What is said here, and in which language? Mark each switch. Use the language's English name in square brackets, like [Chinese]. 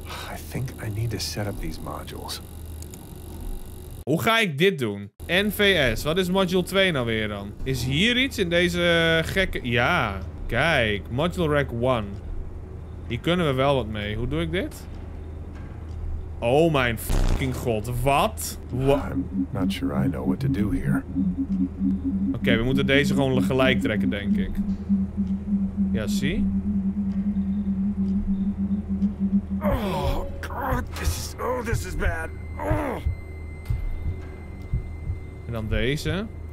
[English] I think I need to set up these modules. [Dutch] Hoe ga ik dit doen? NVS. Wat is module 2 nou weer dan? Is hier iets in deze gekke... Ja. Kijk. Module rack 1. Hier kunnen we wel wat mee. Hoe doe ik dit? Oh mijn fucking god, wat? [English] I'm not sure I know what to do here. [Dutch] Oké, we moeten deze gewoon gelijk trekken, denk ik. Ja, zie? [English] Oh god, this is bad. [Dutch] En dan deze.